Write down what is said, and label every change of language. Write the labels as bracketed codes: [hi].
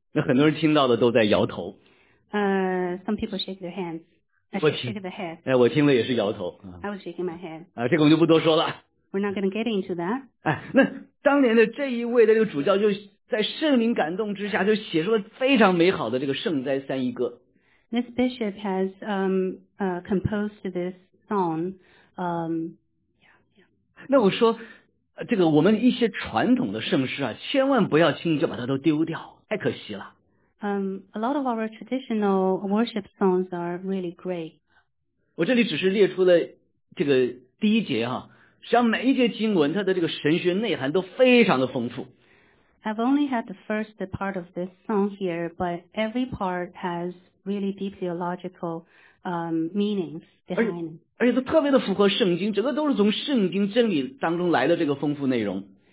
[zh] 那很多人听到的都在摇头。 [en] Some people shake their hands. Shake their head. [zh] 我听了也是摇头。 [en] I was shaking my head. [zh] 这个我们就不多说了。 [en] We're not going to get into that. [zh] 那当年的这一位的这个主教就在圣灵感动之下就写出了非常美好的这个圣哉三一歌。 [en] This bishop has composed this song. [zh] Yeah. 那我说这个我们一些传统的圣诗啊，千万不要轻易就把它都丢掉，太可惜了。 [en] A lot of our traditional worship songs are really great. [zh] 我这里只是列出了这个第一节实际上每一节经文它的这个神学内涵都非常的丰富。 [en] I've only had the first part of this song here, but every part has really deep theological meanings behind it. [zh] 而且都特别的符合圣经，整个都是从圣经真理当中来的这个丰富内容。